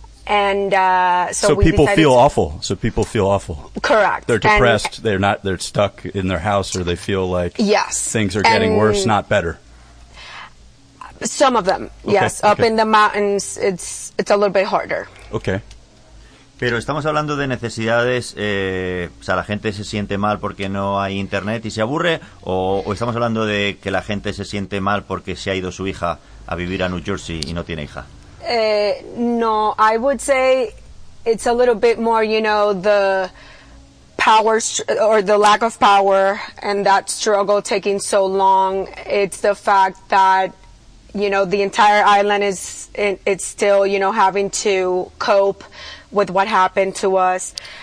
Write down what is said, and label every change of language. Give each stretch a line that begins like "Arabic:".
English: And so we people feel to... awful. So people feel awful. Correct. They're depressed. And, they're not. They're stuck in their house, or they feel like things are getting worse, not better. Some of them, yes. Okay. Up in the mountains, it's a little bit harder. Okay.
Spanish: Pero estamos hablando de necesidades, o sea, la gente se siente mal porque no hay internet y se aburre, o estamos hablando de que la gente se siente mal porque se ha ido su hija a vivir a New Jersey y no tiene hija.
English: No, I would say it's a little bit more, you know, the power or the lack of power and that struggle taking so long. It's the fact that, you know, the entire island is it's still, you know, having to cope with what happened to us.